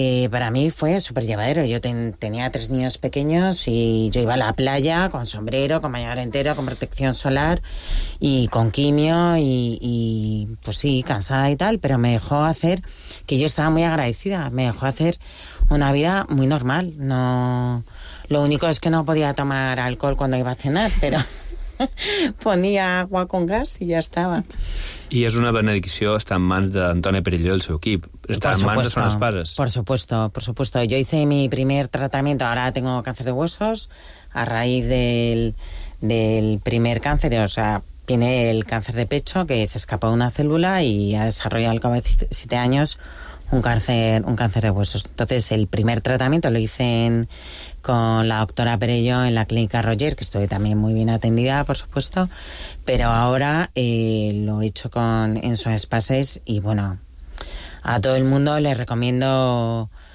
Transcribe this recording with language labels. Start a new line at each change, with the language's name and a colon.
Spanish: para mí fue súper llevadero. Yo tenía 3 niños pequeños y yo iba a la playa con sombrero, con mayor entero, con protección solar y con quimio y pues sí, cansada y tal, pero me dejó hacer, que yo estaba muy agradecida, me dejó hacer una vida muy normal. No, lo único es que no podía tomar alcohol cuando iba a cenar, pero ponía agua con gas y ya estaba.
Catalan: Y es una benedicció estar en mans d'Antoni Perelló i el seu equip. Estar en mans de Son Espases.
Spanish: Por supuesto. Yo hice mi primer tratamiento, ahora tengo cáncer de huesos, a raíz del primer cáncer, o sea, tiene el cáncer de pecho que se escapó de una célula y ha desarrollado al cabo de 7 años un cáncer de huesos. Entonces, el primer tratamiento lo hice con la doctora Perello en la clínica Roger, que estuve también muy bien atendida, por supuesto, pero ahora lo he hecho con Enzo Espaces y, bueno, a todo el mundo le recomiendo.